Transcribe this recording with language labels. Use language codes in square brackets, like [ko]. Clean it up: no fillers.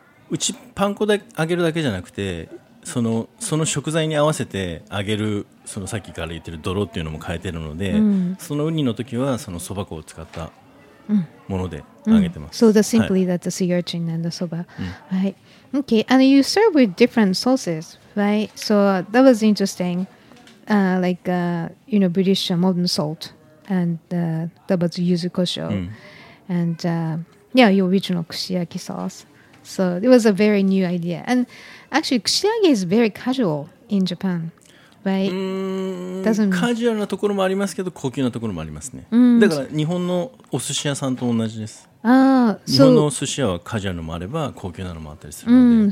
[ja] うちパン粉で揚げるだけじゃなくて、その食材に合わせて揚げる、そのさっきから言ってる泥っていうのも変えてるので、そのウニの時はそのそば粉を使ったもので揚げてます。 [en] So that's simply that the sea urchin and the soba. Right. Okay. And you serve with different sauces. Right, so that was interesting. British modern salt and that was yuzu kosho, and your original kushiyaki sauce. So it was a very new idea. And actually, kushiyaki is very casual in Japan, right? [ja] Casual なところもありますけど、高級なところもありますね。だから日本のお寿司屋さんと同じです。 [en] So, [ja] 日本の寿司屋はカジュアルのもあれば高級なのもあったりするので、